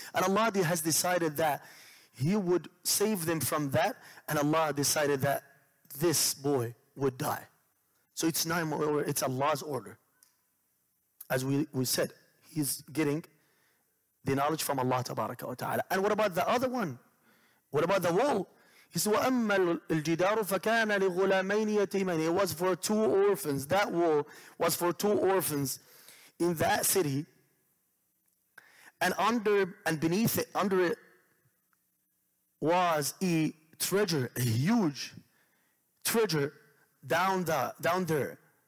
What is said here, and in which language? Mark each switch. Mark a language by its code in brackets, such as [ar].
[en] And Allah has decided that he would save them from that. And Allah decided that this boy would die. So it's not, it's Allah's order. As we said, he's getting the knowledge from Allah tabaraka wa ta'ala. And what about the other one? What about the wall? He said, [ar] وَأَمَّا الْجِدَارُ فَكَانَ لِغُلَامَيْنِ يَتِيمَيْنِ. [en] It was for two orphans. That wall was for two orphans in that city. And under and beneath it, under it, was a treasure, a huge treasure down there.